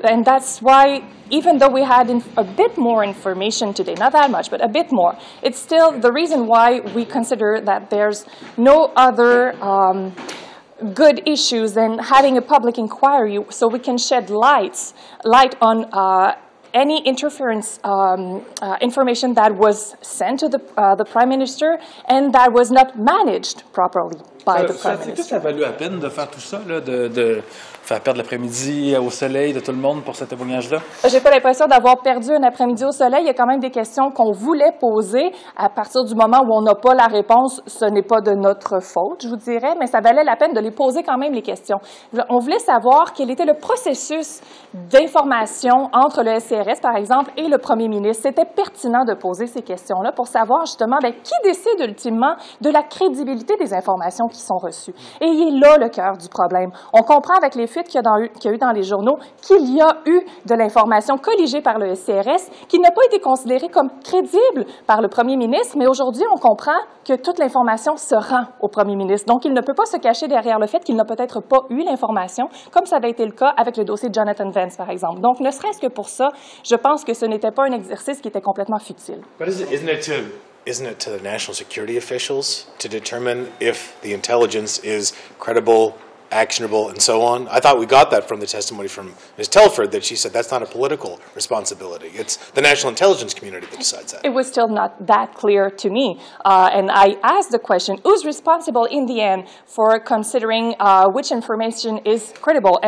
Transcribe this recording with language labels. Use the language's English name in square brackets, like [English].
[English] And that's why, even though we had a bit more information today, not that much, but a bit more, it's still the reason why we consider that there's no other good issues than having a public inquiry so we can shed light on any interference information that was sent to the Prime Minister and that was not managed properly by the Prime Minister. [French] Ça a valu la peine de faire tout ça, là, de faire perdre l'après-midi au soleil de tout le monde pour ce témoignage-là? J'ai pas l'impression d'avoir perdu un après-midi au soleil. Il y a quand même des questions qu'on voulait poser. À partir du moment où on n'a pas la réponse, ce n'est pas de notre faute, je vous dirais, mais ça valait la peine de les poser quand même, les questions. On voulait savoir quel était le processus d'information entre le SCRS, par exemple, et le premier ministre. C'était pertinent de poser ces questions-là pour savoir, justement, bien, qui décide ultimement de la crédibilité des informations qui sont reçues. Et il est là le cœur du problème. On comprend avec les fuites qu'il y a eu dans les journaux, qu'il y a eu de l'information colligée par le SCRS qui n'a pas été considérée comme crédible par le premier ministre, mais aujourd'hui, on comprend que toute l'information se rend au premier ministre. Donc, il ne peut pas se cacher derrière le fait qu'il n'a peut-être pas eu l'information, comme ça avait été le cas avec le dossier de Jonathan Vance, par exemple. Donc, ne serait-ce que pour ça, je pense que ce n'était pas un exercice qui était complètement futile. [English] Isn't it to the national security officials to determine if the intelligence is credible, actionable, and so on? I thought we got that from the testimony from Ms. Telford, that she said that's not a political responsibility. It's the national intelligence community that decides that. It was still not that clear to me. And I asked the question, who's responsible in the end for considering which information is credible?